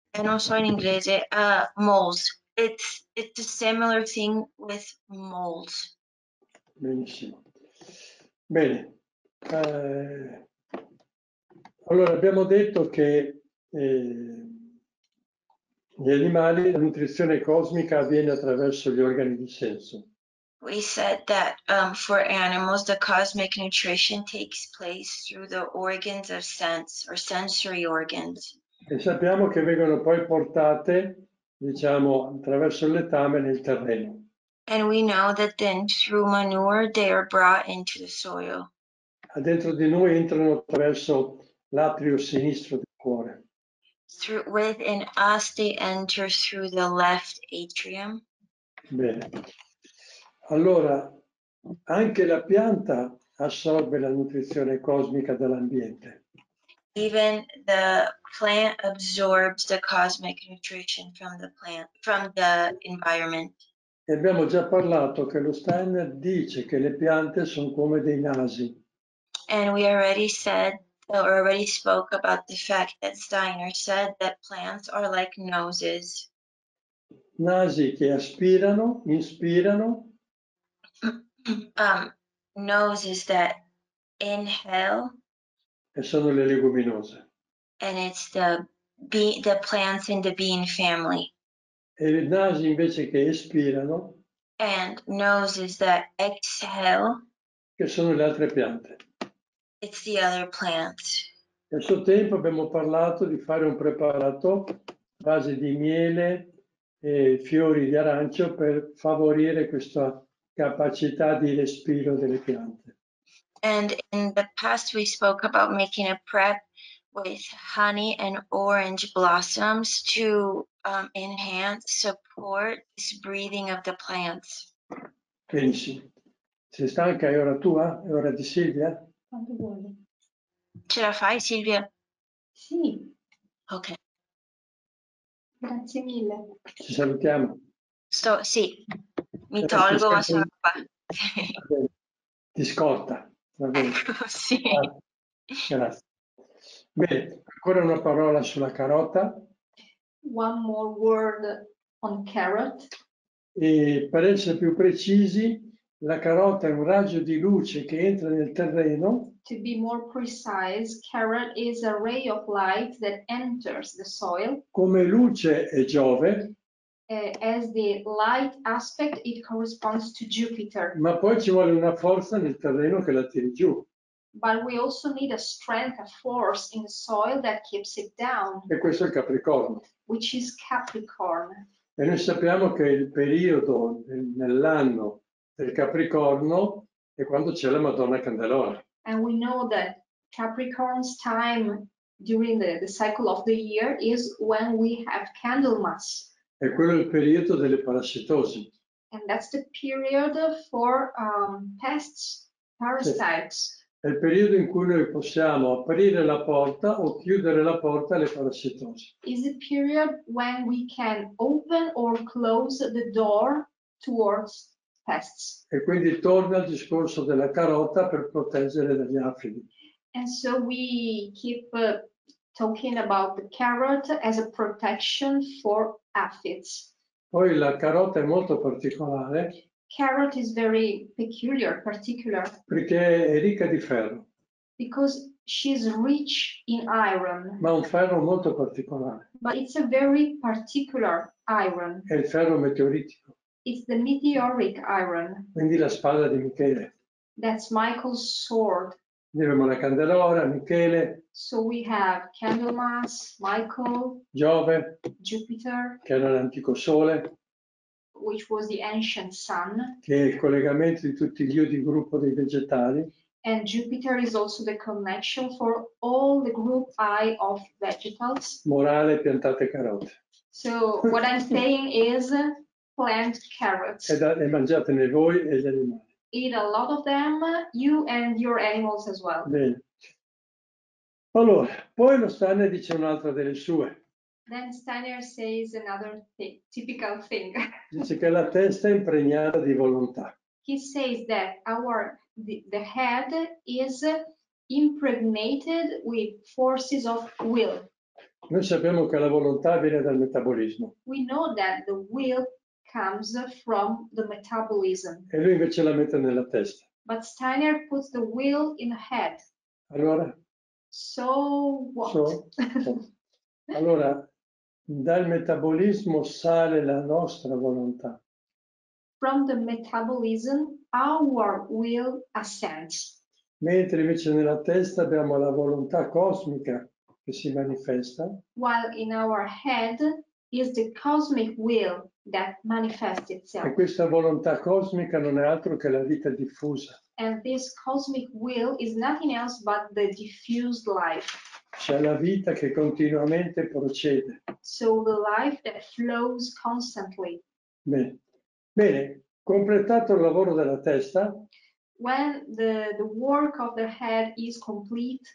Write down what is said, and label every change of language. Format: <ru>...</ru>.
<it>non so in inglese,</it> <en>moles. It's a similar thing with moles.</en> <it>Benissimo. Bene. Allora, abbiamo detto che gli animali, la nutrizione cosmica avviene attraverso gli organi di senso.</it> <en>We said that for animals, the cosmic nutrition takes place through the organs of sense or sensory organs.</en> <it>E sappiamo che vengono poi portate, diciamo, attraverso il letame nel terreno.</it> <en>And we know that then through manure they are brought into the soil.</en> <it>Dentro di noi entrano attraverso l'atrio sinistro del cuore.</it> <en>Through, within us they enter through the left atrium.</en> <it>Bene. Allora, anche la pianta assorbe la nutrizione cosmica dell'ambiente.</it> <en>Even the plant absorbs the cosmic nutrition from the plant, from the environment.</en> <it>E abbiamo già parlato che lo Steiner dice che le piante sono come dei nasi.</it> <en>And we already said, or already spoke about the fact that Steiner said that plants are like noses.</en> <it>Nasi che aspirano, inspirano.</it> <en>Noses that inhale.</en> <it>E sono le leguminose.</it> <en>And it's the plants in the bean family.</en> <it>E le nasi invece che espirano.</it> <en>And noses that exhale.</en> <it>Che sono le altre piante.</it> <en>It's the other plants.</en> <it>Nel suo tempo abbiamo parlato di fare un preparato a base di miele e fiori di arancio per favorire questa capacità di respiro delle piante.</it> <en>And in the past we spoke about making a prep with honey and orange blossoms to enhance, support this breathing of the plants.</en> <it>Benissimo. Sei stanca? È ora tua? È ora di Silvia? Quanto vuoi? Ce la fai, Silvia? Sì. Ok. Grazie mille. Ci salutiamo. Sto, sì. Mi tolgo, ma sono qua. Ti scorta. Va bene. Ecco, sì. Grazie. Bene, ancora una parola sulla carota.</it> <en>One more word on carrot.</en> <it>E per essere più precisi, la carota è un raggio di luce che entra nel terreno.</it> <en>To be more precise, carrot is a ray of light that enters the soil.</en> <it>Come luce è Giove.</it> <en>As the light aspect, it corresponds to Jupiter.</en> <it>Ma poi ci vuole una forza nel terreno che la tiri giù.</it> <en>But we also need a strength, a force in the soil that keeps it down.</en> <it>E questo è il Capricorno.</it> <en>Which is Capricorn.</en> <it>E noi sappiamo che il periodo nell'anno del Capricorno è quando c'è la Madonna Candelora.</it> <en>And we know that Capricorn's time during the cycle of the year is when we have Candlemas.</en> <it>È quello il periodo delle parassitosi.</it> <en>And that's the period for pests, parasites.</en> <it>È il periodo in cui noi possiamo aprire la porta o chiudere la porta alle parassitosi.</it> <en>Is the period when we can open or close the door towards pests.</en> <it>E quindi torna al discorso della carota per proteggere dagli afidi.</it> <en>And so we keep talking about the carrot as a protection for aphids.</en> <it>Poi la carota è molto particolare.</it> <en>Carrot is very peculiar, particular.</en> <it>Perché è ricca di ferro.</it> <en>Because she is rich in iron.</en> <it>Ma un ferro molto particolare.</it> <en>But it's a very particular iron.</en> <it>È il ferro meteoritico.</it> <en>It's the meteoric iron.</en> <it>Quindi la spada di Michele.</it> <en>That's Michael's sword.</en> <it>Abbiamo la candelora, Michele.</it> <en>So we have Candlemas, Michael.</en> <it>Giove.</it> <en>Jupiter.</en> <it>Che era l'antico sole.</it> <en>Which was the ancient sun.</en> <it>Che è il collegamento di tutti gli io di gruppo dei vegetali.</it> <en>And Jupiter is also the connection for all the group I of vegetals.</en> <it>Morale, piantate carote.</it> <en>So what I'm saying is plant carrots.</en> <it>E mangiatene voi e gli animali.</it> <en>Eat a lot of them, you and your animals as well.</en> <it>Bene. Allora, poi lo Steiner dice un'altra delle sue.</it> <en>Then Steiner says another typical thing.</en> <it>Dice che la testa è impregnata di volontà.</it> <en>He says that the head is impregnated with forces of will.</en> <it>Noi sappiamo che la volontà viene dal metabolismo.</it> <en>We know that the will comes from the metabolism.</en> <it>E lui invece la mette nella testa.</it> <en>But Steiner puts the will in the head.</en> <it>Allora?</it> <en>So what? So,</en> <it>allora, dal metabolismo sale la nostra volontà.</it> <en>From the metabolism, our will ascends.</en> <it>Mentre invece nella testa abbiamo la volontà cosmica che si manifesta.</it> <en>While in our head is the cosmic will that manifests itself.</en> <it>E questa volontà cosmica non è altro che la vita diffusa.</it> <en>And this cosmic will is nothing else but the diffused life.</en> <it>C'è la vita che continuamente procede.</it> <en>So the life that flows constantly.</en> <it>Bene. Bene, completato il lavoro della testa.</it> <en>When the work of the head is complete.</en>